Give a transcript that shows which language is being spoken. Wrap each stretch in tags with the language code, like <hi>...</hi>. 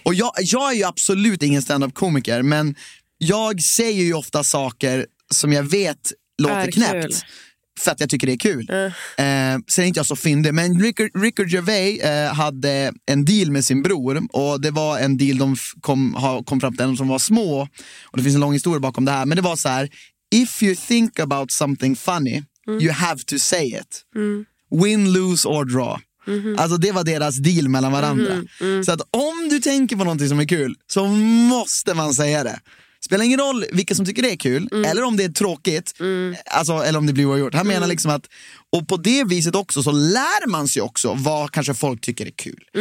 <sv>Och jag är ju absolut ingen stand-up-komiker, men jag säger ju ofta saker som jag vet låter knäppt. För att jag tycker det är kul. Sen är inte jag så fyndig. Men Ricky Gervais hade en deal med sin bror. Och det var en deal de kom fram till, de som var små. Och det finns en lång historia bakom det här. Men det var så här:</sv> <en>if you think about something funny, you have to say it. Win, lose or draw.</en> <sv>Alltså det var deras deal mellan varandra. Så att om du tänker på någonting som är kul, så måste man säga det. Spelar ingen roll vilka som tycker det är kul, eller om det är tråkigt, alltså, eller om det blir oavgjort. Han menar liksom att, och på det viset också så lär man sig också vad kanske folk tycker är kul.</sv>